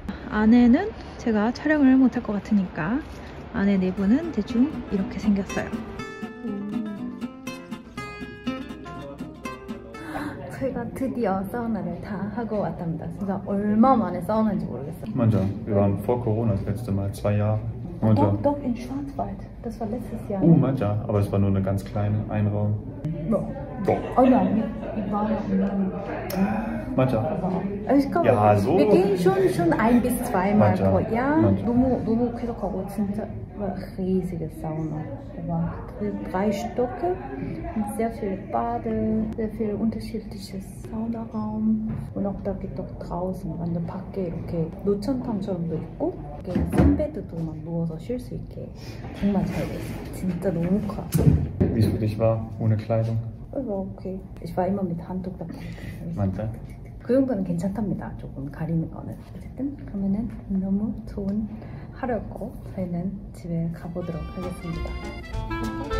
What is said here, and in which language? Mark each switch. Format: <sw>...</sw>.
<ko>안에는 제가 촬영을 못할 것 같으니까 안에 내부는 대충 이렇게 생겼어요. 제가 드디어 사우나를 다 하고 왔답니다. 진짜 얼마 만에 사우나인지 모르겠어요. 맞아.</ko> <de>Wir waren vor Corona das letzte Mal 2 Jahre.</de> <ko>맞아.</ko> <de>Doch in Schwarzwald. Das war letztes Jahr.</de> <ko>Oh, 맞아.</ko> <de>Aber es war nur eine ganz kleine Einraum. Doch. Oh nein, ich war noch nie.</de> <ko>맞아.</ko> <de>Ich glaube, ja, so. Wir gehen schon 1 bis 2 Mal pro Jahr.</de> <ko>맞아. 너무 계속하고 진짜</ko> <de>riesige Sauna. War 3 Stöcke und sehr viele Bade, sehr viel unterschiedliches Saunaraum. Und auch da gibt es draußen, an der Parke, okay,</de> <ko>Lutschentang처럼도 있고, 이렇게 선베드도만 누워서 쉴 수 있게. 정말 잘 돼. 진짜 너무 커.</ko> <de>Wie es für dich war, ohne Kleidung? Es war okay. Ich war immer mit Handtuch dabei.</de> <ko>맞아. 그 정도는 괜찮답니다. 조금 가리는 거는. 어쨌든, 그러면은 너무 좋은 하루였고, 저희는 집에 가보도록 하겠습니다.</ko>